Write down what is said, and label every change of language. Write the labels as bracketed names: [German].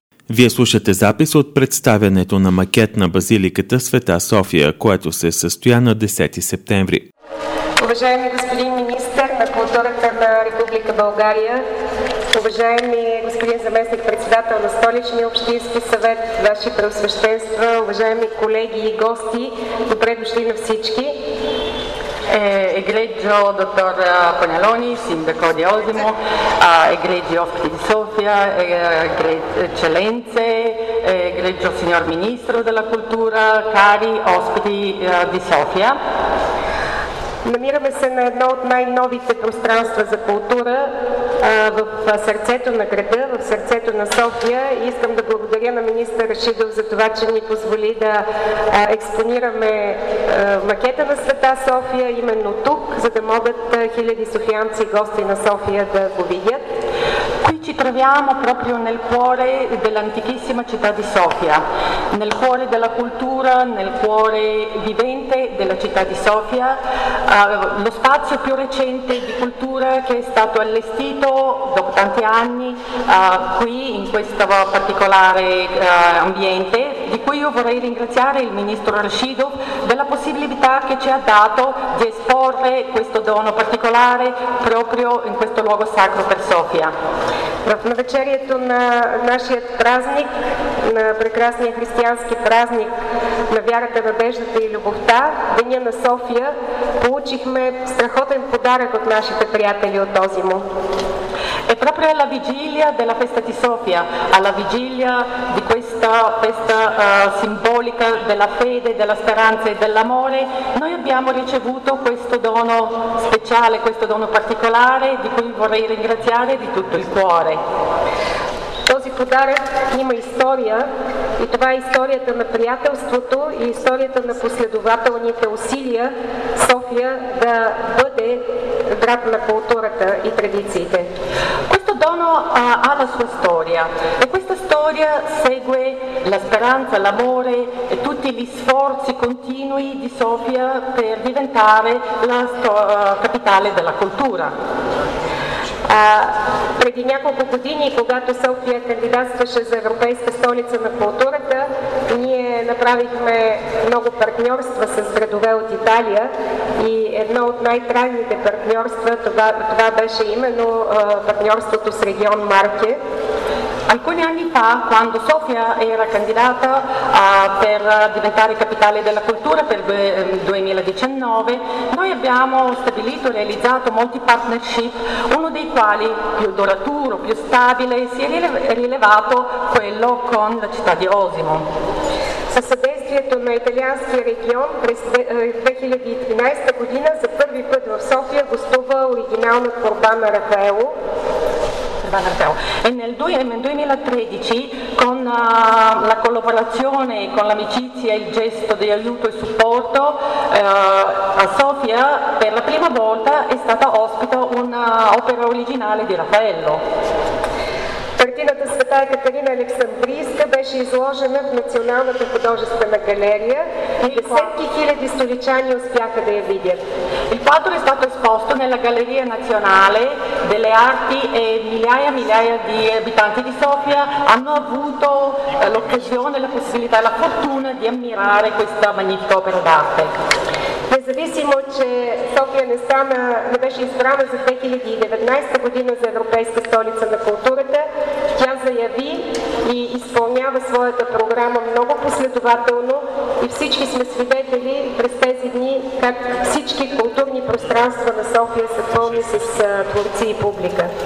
[Bulgarian] Вие слушате запис от представянето на макет на базиликата Света София, което се състоя на 10 септември. Уважаеми господин министър на културата на Република България, уважаеми господин заместник-председател на Столичния общински съвет, ваши преосвещенства, уважаеми колеги и гости, добре дошли на всички. [Italian] Egregio dottor Pagnaloni, sindaco di Osimo, egregio ospiti di Sofia, egregio eccellenze, egregio signor ministro della cultura, cari ospiti di Sofia. [Bulgarian] Намираме се на едно от най-новите пространства за култура в сърцето на града, в сърцето на София. Искам да благодаря на министър Рашидов за това, че ни позволи да експонираме макета на Света София именно тук, за да могат хиляди софиянци и гости на София да го видят. [Italian] Qui ci troviamo proprio nel cuore dell'antichissima città di Sofia, nel cuore della cultura, nel cuore vivente della città di Sofia, lo spazio più recente di cultura che è stato allestito dopo tanti anni qui in questo particolare ambiente, di cui io vorrei ringraziare il ministro Rashido della possibilità che ci ha dato di esporre questo dono particolare proprio in questo luogo sacro per Sofia. [Bulgarian] В навечерието на нашия празник, на прекрасния християнски празник на вярата, надеждата и любовта, Деня на София, получихме страхотен подарък от нашите приятели от Озимо. [Italian] È proprio alla vigilia della festa di Sofia, alla vigilia di questa festa simbolica della fede, della speranza e dell'amore, noi abbiamo ricevuto questo dono speciale, questo dono particolare, di cui vorrei ringraziare di tutto il cuore. [Bulgarian] Този подарък има история и това е историята на приятелството и историята на последователните усилия София да бъде град на културата и традициите. [Italian] Questo dono ha la sua storia e questa storia segue la speranza, l'amore e tutti gli sforzi continui di Sofia per diventare la capitale della cultura. [Bulgarian] Преди няколко години, когато София кандидатстваше за Европейска столица на културата, ние направихме много партньорства с градове от Италия и едно от най-трайните партньорства, това беше именно партньорството с регион Марке. [Italian] Alcuni anni fa, quando Sofia era candidata per diventare capitale della cultura per 2019, noi abbiamo stabilito e realizzato molti partnership, uno dei quali più duraturo, più stabile, si è rilevato quello con la città di Osimo. [Bulgarian] Съдействието на италианския регион през 2013 година за първи път в София гостува оригинална творба на Рафаело. [Italian] E nel 2013, con la collaborazione, con l'amicizia, il gesto di aiuto e supporto, a Sofia per la prima volta è stata ospita un'opera originale di Raffaello. [Bulgarian] Картината Света Екатерина Александрийска беше изложена в Националната художествена галерия и десетки хиляди столичани успяха да я видят. [Italian] Il quadro è stato esposto nella Galleria Nazionale delle Arti e migliaia e migliaia di abitanti di Sofia hanno avuto l'occasione, la possibilità e la fortuna di ammirare questa magnifica opera d'arte. [Bulgarian] Независимо, че София не беше избрана за 2019 година за Европейска столица на културата, тя заяви и изпълнява своята програма много последователно и всички сме свидетели през тези дни как всички културни пространства на София са пълни с творци и публика.